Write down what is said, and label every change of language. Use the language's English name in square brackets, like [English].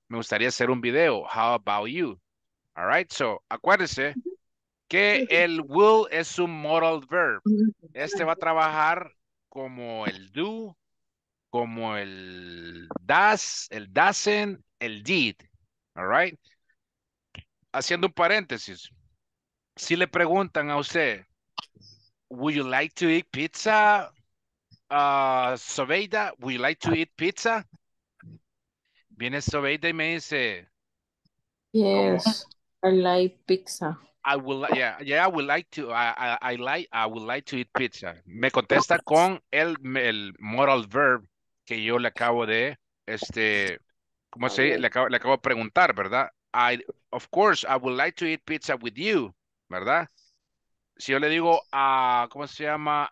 [Spanish] Me gustaría hacer un video. [English] How about you? All right. [Spanish] So, acuérdese que el will es un modal verb. Este va a trabajar como el do, como el does, el doesn't, el did, [English] all right? [Spanish] Haciendo un paréntesis, si le preguntan a usted, [English] would you like to eat pizza, Sobeida, would you like to eat pizza? [Spanish] Viene Sobeida y me dice, [English] yes, ¿cómo? I like pizza. I would like to eat pizza. [Spanish] Me contesta con el modal verb que yo le acabo de, ¿cómo se dice? Le acabo de preguntar, ¿verdad? [English] Of course, I would like to eat pizza with you, ¿verdad? [Spanish] Si yo le digo a, ¿cómo se llama?